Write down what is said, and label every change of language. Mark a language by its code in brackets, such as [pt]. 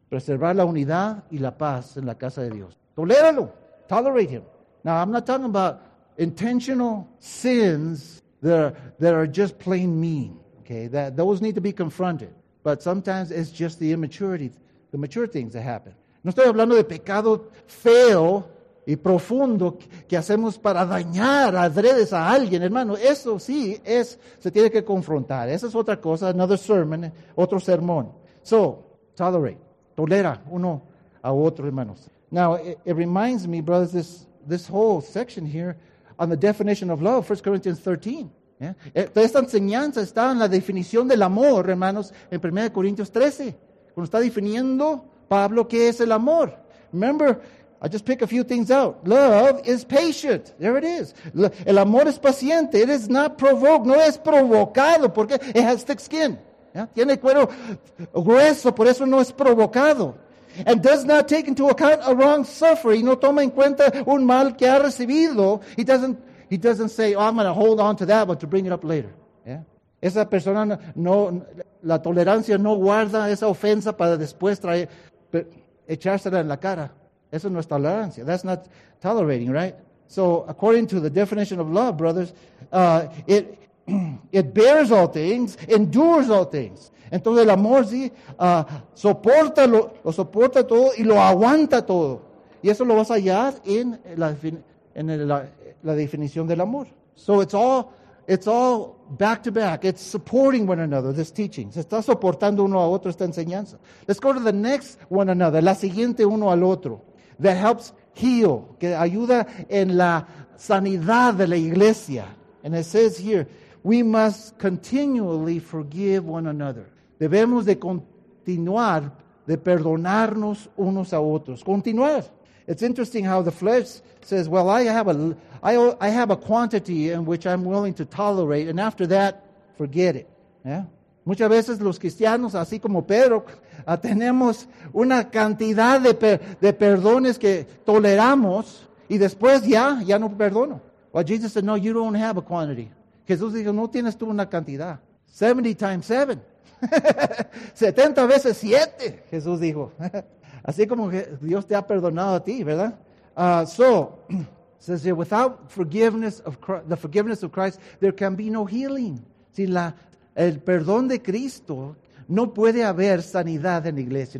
[es] Preservar la unidad y la paz en la casa de Dios. Toléralo. [en] Tolerate him. Now, I'm not talking about intentional sins that are just plain mean. Okay, those need to be confronted. But sometimes it's just the immaturity, the mature things that happen. [es] No estoy hablando de pecado feo y profundo que hacemos para dañar adredes a alguien, hermano. Eso sí es, se tiene que confrontar. Esa es otra cosa, [en] another sermon, [es] otro sermón. [en] So, tolerate, [es] tolera uno a otro, hermanos. [en] Now, it reminds me, brothers, this whole section here on the definition of love, 1 Corinthians 13. Yeah? [es] Esta enseñanza está en la definición del amor, hermanos, en 1 Corintios 13, cuando está definiendo Pablo, ¿qué es el amor? [en] Remember, I just pick a few things out. Love is patient. There it is. [es] El amor es paciente. [en] It is not provoked. [es] No es provocado. [en] Porque it has thick skin. [es] ¿Ya? Tiene cuero grueso. Por eso no es provocado. [en] And does not take into account a wrong suffering. [es] No toma en cuenta un mal que ha recibido. [en] He doesn't say, oh, I'm going to hold on to that one to bring it up later. Yeah. [es] Esa persona no, la tolerancia no guarda esa ofensa para después traer, echársela en la cara. Eso no es tolerancia. [en] That's not tolerating, right? So, according to the definition of love, brothers, it bears all things, endures all things. [es] Entonces, el amor sí soporta lo soporta todo y lo aguanta todo. Y eso lo vas a hallar en la definición del amor. [en] So, it's all back to back. It's supporting one another, this teaching. [es] Se está soportando uno a otro esta enseñanza. [en] Let's go to the next one another. [es] La siguiente uno al otro. [en] That helps heal, [es] que ayuda en la sanidad de la iglesia. [en] And it says here, we must continually forgive one another. [es] Debemos de continuar de perdonarnos unos a otros. Continuar. [en] It's interesting how the flesh says, well, I have a quantity in which I'm willing to tolerate, and after that, forget it. Yeah? [es] Muchas veces los cristianos, así como Pedro, tenemos una cantidad de perdones que toleramos, y después ya no perdono. [en] Well, Jesus said, no, you don't have a quantity. [es] Jesús dijo, no tienes tú una cantidad. [en] 70 times 7. [es] 70 veces 7, Jesús dijo. Así como Dios te ha perdonado a ti, ¿verdad? [en] So, says here, without forgiveness of Christ, the forgiveness of Christ, there can be no healing. [es] Si el perdón de Cristo, no puede haber sanidad en la iglesia.